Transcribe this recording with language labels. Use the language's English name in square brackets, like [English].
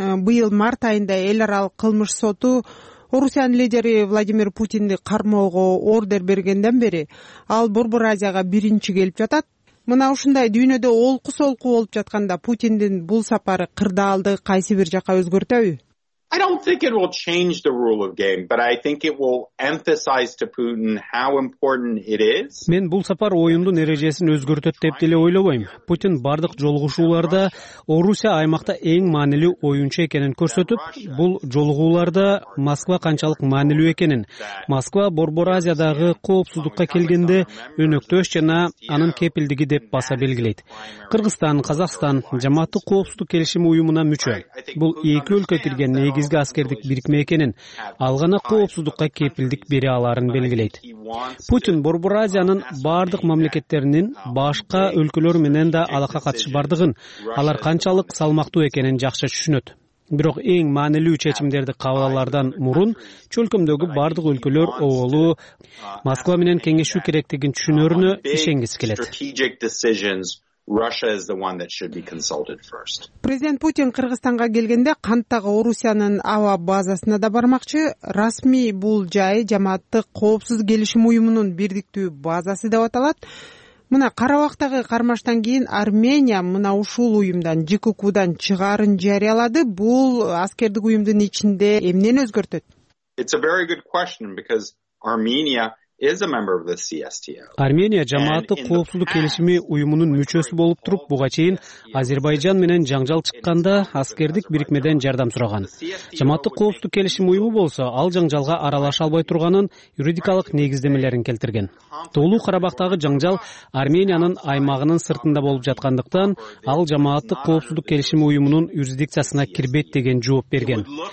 [Kyrgyz] Быйыл март айында эл аралык кылмыш соту Орусиянын лидери Владимир Путинди кармоого ордер бергенден бери ал Борбор Азияга биринчи келип жатат. Мына ушундай дүйнөдө олку-солку болуп жатканда Путиндин бул сапары кырдаалды кайсы бир жака өзгөртөбү? [English] I don't think it will change the rule of game, but I think it will emphasize to Putin how important it is. [Kyrgyz] Мен бул сапар оюндун эрежесин өзгөртөт деп деле ойлобойм. Путин бардык жолугушууларда Орусия аймакта эң маанилүү оюнчу экенин көрсөтүп, бул жолугууларда Москва канчалык маанилүү экенин, Москва Борбор Азиядагы коопсуздукка келгенде өнөктөш жана анын кепилдиги деп баса белгилейт. Кыргызстан, Казакстан жамааттык коопсуздук келишими уюмуна мүчө. Бул эки өлкө кирген негизги аскердик бирикме экенин, ал гана коопсуздукка кепилдик бере аларын белгилейт. Путин Борбор Азиянын бардык мамлекеттеринин башка өлкөлөр менен да алака катышы бардыгын, алар канчалык салмактуу экенин жакшы түшүнөт. Бирок эң маанилүү чечимдерди кабыл алардан мурун чөлкөмдөгү бардык өлкөлөр оолу Москва менен кеңешүү керектигин түшүнөрүнө ишенгиси келет. [English] Russia is the one that should be consulted first. [Kyrgyz] Президент Путин Кыргызстанга келгенде канттагы Орусиянын аба базасына да бармакчы. Расмий бул жай жамааттык коопсуз келишим уюмунун бирдиктүү базасы деп аталат. Мына Карабахтагы кармаштан кийин Армения мына ушул уюмдан ЖКК-дан чыгарын жарыялады. Бул аскердик уюмдун ичинде эмнени өзгөртөт? [English] It's a very good question because Armenia is a member of the CSTO. [Kyrgyz] Армения жамааттык коопсуздук келишими уюмунун мүчөсү болуп туруп, буга чейин Азербайжан менен жаңжал чыкканда аскердик бирикмеден жардам сураган. Жамааттык коопсуздук келишими уюму болсо, ал жаңжалга аралаша албай турганын юридикалык негиздемелерин келтирген. Тоолу Карабахтагы жаңжал Армениянын аймагынын сыртында болуп жаткандыктан, ал жамааттык коопсуздук келишими уюмунун юрисдикциясына кирбейт деген жооп берген.